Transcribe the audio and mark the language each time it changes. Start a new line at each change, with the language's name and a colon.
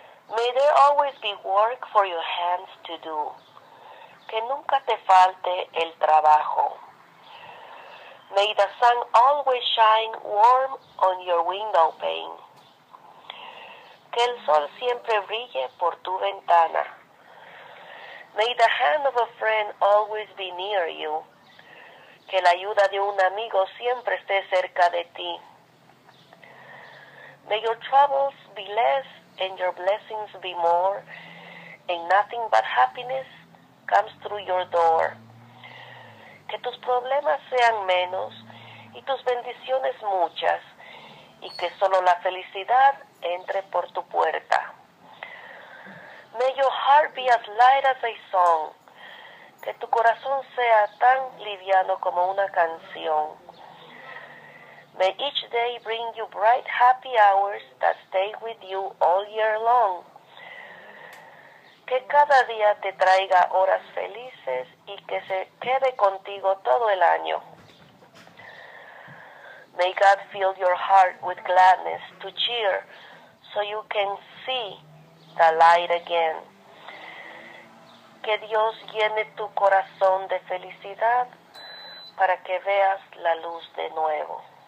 English: May there always be work for your hands to do.
Spanish: Que nunca te falte el trabajo.
English: May the sun always shine warm on your window pane.
Spanish: Que el sol siempre brille por tu ventana.
English: May the hand of a friend always be near you.
Spanish: Que la ayuda de un amigo siempre esté cerca de ti.
English: May your troubles be less and your blessings be more, and nothing but happiness comes through your door.
Spanish: Que tus problemas sean menos y tus bendiciones muchas, y que solo la felicidad entre por tu puerta.
English: May your heart be as light as a song.
Spanish: Que tu corazón sea tan liviano como una canción.
English: May each day bring you bright, happy hours that stay with you all year long.
Spanish: Que cada día te traiga horas felices y que se quede contigo todo el año.
English: May God fill your heart with gladness to cheer so you can see the light again.
Spanish: Que Dios llene tu corazón de felicidad para que veas la luz de nuevo.